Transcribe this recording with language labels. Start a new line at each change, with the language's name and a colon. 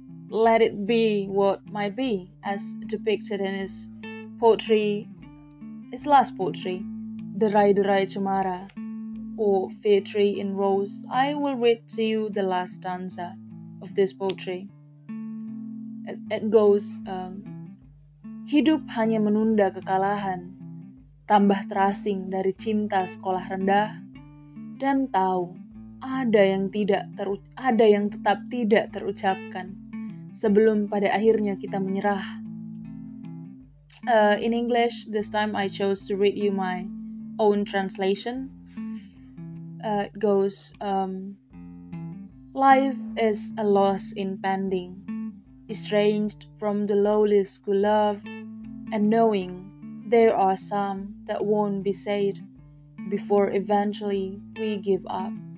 English: Let it be what might be, as depicted in his poetry, his last poetry, Derai Derai Cemara, or Fear Tree in Rose. I will read to you the last stanza of this poetry. it goes,
Indonesian: hidup hanya menunda kekalahan, tambah terasing dari cinta sekolah rendah, dan tahu ada yang tetap tidak terucapkan sebelum pada akhirnya kita menyerah.
English: In English, this time I chose to read you my own translation. It goes, life is a loss impending, estranged from the lowly school love, and knowing there are some that won't be said before eventually we give up.